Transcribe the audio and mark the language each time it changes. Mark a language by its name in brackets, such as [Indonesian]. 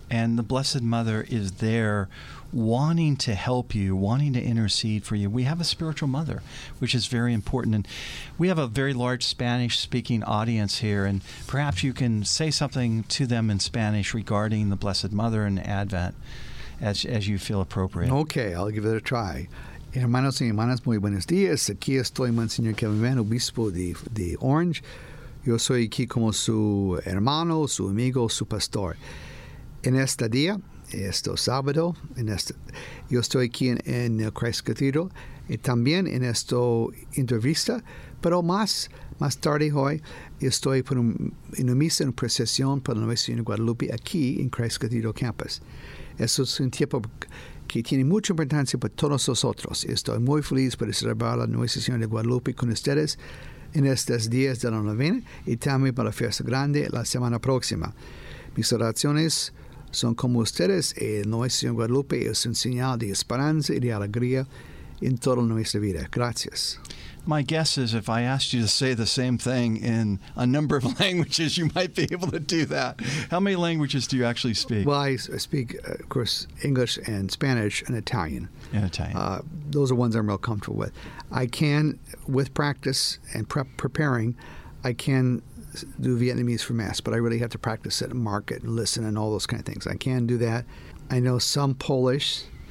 [English] And the Blessed Mother is there wanting to help you, wanting to intercede for you. We have a spiritual mother, which is very important. And we have a very large Spanish-speaking audience here. And perhaps you can say something to them in Spanish regarding the Blessed Mother and Advent as you feel appropriate. Okay, I'll give it a try. [Spanish] Hermanos y hermanas, muy buenos días. Aquí estoy, Monseñor Kevin Van, Obispo de Orange. Yo soy aquí como su hermano, su amigo, su pastor. En este día, este sábado, yo estoy aquí en el Christ Cathedral y también en esta entrevista, pero más tarde hoy, estoy en una misa en procesión por la Nueva Señora Guadalupe aquí en Christ Cathedral Campus. Eso es un tiempo que tiene mucha importancia para todos nosotros. Estoy muy feliz por celebrar la Nueva Señora de Guadalupe con ustedes en estos días de la novena y también para la fiesta grande la semana próxima. Mis oraciones son como ustedes, y Nuestra Señora Guadalupe es un señal de esperanza y de alegría en toda nuestra vida. Gracias. [English] My guess is if I asked you to say the same thing in a number of languages, you might be able to do that. How many languages do you actually speak? Well, I speak, of course, English and Spanish and Italian. And Italian. Those are ones I'm real comfortable with. I can, with practice and preparing, I can do Vietnamese for Mass, but I really have to practice it and mark it and listen and all those kind of things. I can do that. I know some Polish,